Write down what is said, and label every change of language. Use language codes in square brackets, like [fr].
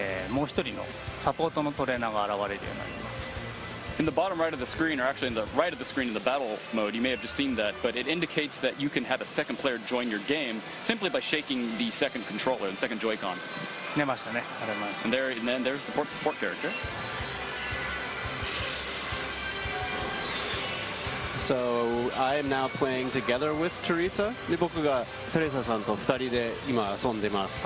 [ja] もう一人のサポートのトレーナーが現れるようになります。 [en] In the bottom right of the screen, or actually in the right of the screen in the battle mode, you may have just seen that, but it indicates that you can have a second player join your game simply by shaking the second controller, the second Joy-Con. [ja] 出ましたね。 [en] And then there's the support character. So I am now playing together with Teresa. [ja] で僕がテレサさんと二人で今遊んでます。